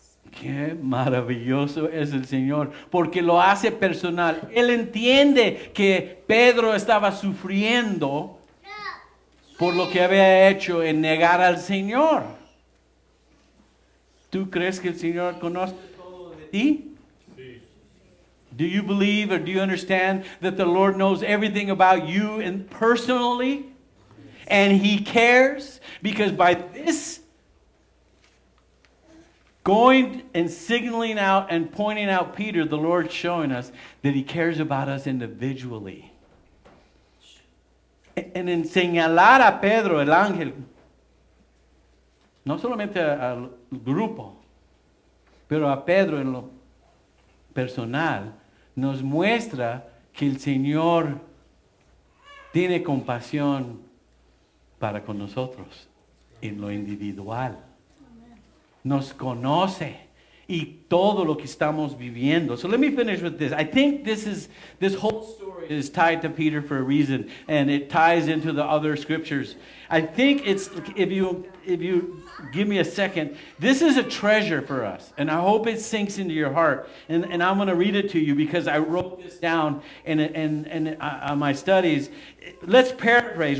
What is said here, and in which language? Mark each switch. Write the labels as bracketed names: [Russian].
[Spanish] Qué maravilloso es el Señor, porque lo hace personal. Él entiende que Pedro estaba sufriendo por lo que había hecho en negar al Señor. ¿Tú crees que el Señor conoce todo de ti? [English] Do you believe or do you understand that the Lord knows everything about you and personally? And He cares, because by this going and signaling out and pointing out Peter, the Lord's showing us that He cares about us individually. And [Spanish] en señalar a Pedro, el ángel, no solamente al grupo, pero a Pedro en lo personal, nos muestra que el Señor tiene compasión para con nosotros en lo individual. Nos conoce y todo lo que estamos viviendo. [English] So let me finish with this. I think this whole story is tied to Peter for a reason, and it ties into the other scriptures. I think it's, if you give me a second, this is a treasure for us, and I hope it sinks into your heart. And I'm going to read it to you because I wrote this down in my studies. Let's paraphrase.